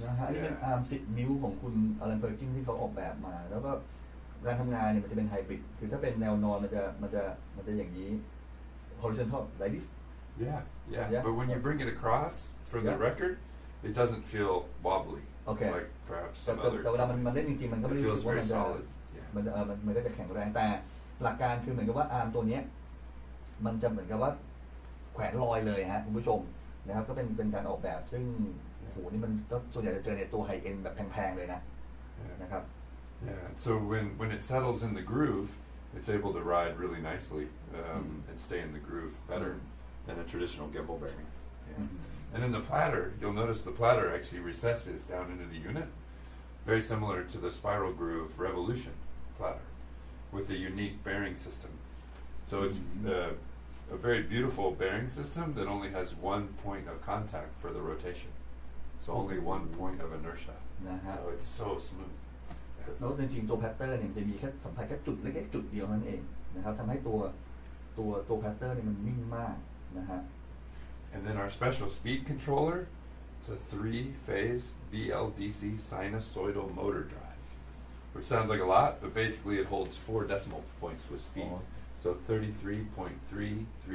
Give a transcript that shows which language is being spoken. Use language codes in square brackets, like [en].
[en] Yeah. horizontal like this. Yeah. But when you bring it across for the record, it doesn't feel wobbly. Okay. Like perhaps some other. [th] แต่เวลามันเล่นจริงๆมันก็ไม่รู้สึกว่ามันจะมันมันก็จะแข็งแรงแต่หลักการคือเหมือนกับว่าอาร์มตัวนี้มันจะเหมือนกับว่าแขวนลอยเลยฮะคุณผู้ชมนะครับก็เป็นการออกแบบซึ่งโหนี่มันก็ส่วนใหญ่จะเจอในตัวไฮเอ็นแบบแพงๆเลยนะนะครับ [en] Yeah. So when it settles in the groove, it's able to ride really nicely and stay in the groove better than a traditional gimbal bearing. Yeah. And then the platter, you'll notice the platter actually recesses down into the unit, very similar to the spiral groove revolution platter with a unique bearing system. So it's a very beautiful bearing system that only has one point of contact for the rotation. So only one point of inertia. So it's so smooth. [th] แล้วจริงๆตัวแพตเตอร์เนี่ยจะมีแค่สัมผัสแค่จุดเล็กๆจุดเดียวนั่นเองนะครับทำให้ตัวแพตเตอร์เนี่ยมันนิ่งมากนะฮะ [en] And then our special speed controller, it's a three-phase BLDC sinusoidal motor drive, which sounds like a lot, but basically it holds four decimal points with speed, so 33.3333.